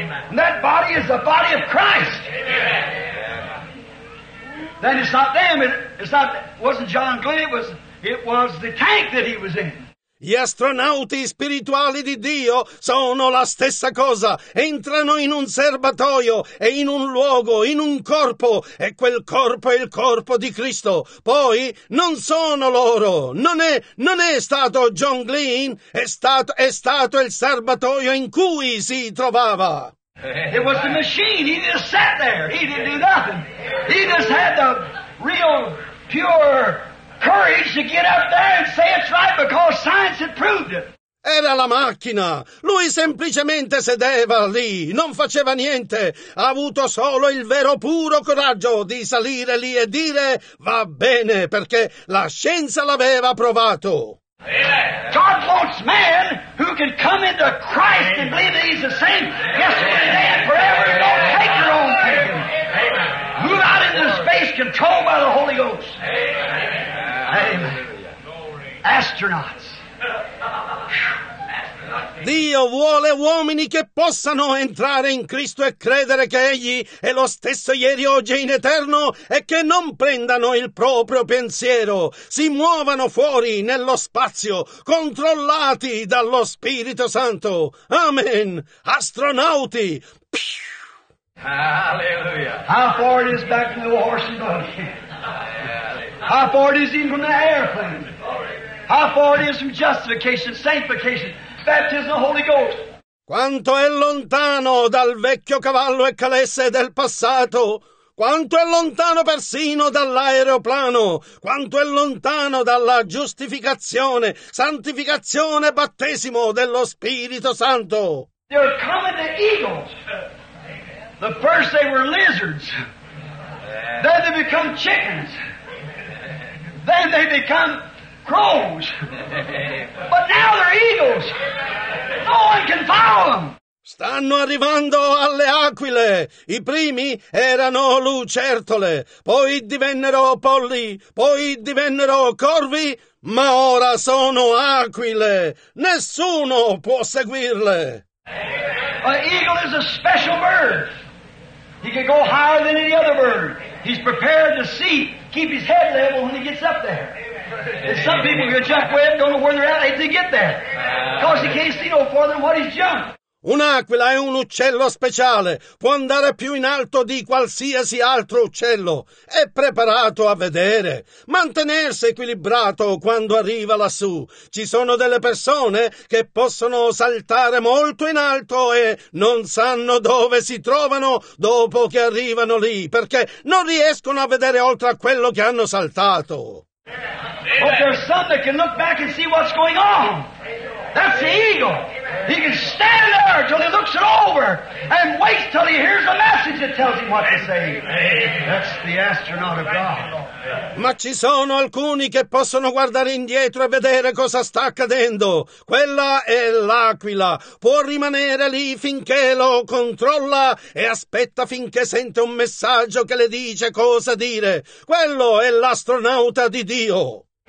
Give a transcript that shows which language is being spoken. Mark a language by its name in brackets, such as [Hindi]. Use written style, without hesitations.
[English] And that body is the body of Christ. Then it's not them, it wasn't John Glenn, it was the tank that he was in. [Italian] Gli astronauti spirituali di Dio sono la stessa cosa. Entrano in un serbatoio e in un luogo, in un corpo, e quel corpo è il corpo di Cristo. Poi non sono loro. Non è stato John Glenn, è stato il serbatoio in cui si trovava. [English] It was the machine. He just sat there. He didn't do nothing. He just had the real pure courage to get up there and say it's right because science had proved it. [Italian] Era la macchina. Lui semplicemente sedeva lì, non faceva niente. Ha avuto solo il vero puro coraggio di salire lì e dire va bene perché la scienza l'aveva provato. [English] God wants man who can come into Christ and believe that he's the same yesterday and forever. Don't take your own kingdom. Move out into space controlled by the Holy Ghost. Amen. Astronauts. [Italian] Dio vuole uomini che possano entrare in Cristo e credere che Egli è lo stesso ieri, oggi e in eterno, e che non prendano il proprio pensiero, si muovano fuori nello spazio, controllati dallo Spirito Santo. Amen. Astronauti. [English] Hallelujah. How far it is back to the horse and buggy? How far it is even from the airplane? How far it is from justification, sanctification, baptism of the Holy Ghost? [Italian] Quanto è lontano dal vecchio cavallo e calesse del passato? Quanto è lontano persino dall'aeroplano? Quanto è lontano dalla giustificazione, santificazione e battesimo dello Spirito Santo? [English] They're coming the eagles. The first they were lizards. Then they become chickens. Then they become crows. But now they're eagles. No one can follow them. [Italian] Stanno arrivando alle aquile. I primi erano lucertole, poi divennero polli, poi divennero corvi, ma ora sono aquile. Nessuno può seguirle. [English] An eagle is a special bird. He can go higher than any other bird. He's prepared to see, keep his head level when he gets up there. And some people can jump way up, don't know where they're at, they get there. Because he can't see no farther than what he's jumped. [Italian] Un'aquila è un uccello speciale, può andare più in alto di qualsiasi altro uccello, è preparato a vedere, mantenersi equilibrato quando arriva lassù. Ci sono delle persone che possono saltare molto in alto e non sanno dove si trovano dopo che arrivano lì, perché non riescono a vedere oltre a quello che hanno saltato. [English] But there's some that can look back and see what's going on. That's the eagle. He can stand there till he looks it over and waits till he hears a message that tells him what to say. That's the astronaut of God. [Italian] Ma ci sono alcuni che possono guardare indietro e vedere cosa sta accadendo. Quella è l'aquila. Può rimanere lì finché lo controlla e aspetta finché sente un messaggio che le dice cosa dire. Quello è l'astronauta di Dio.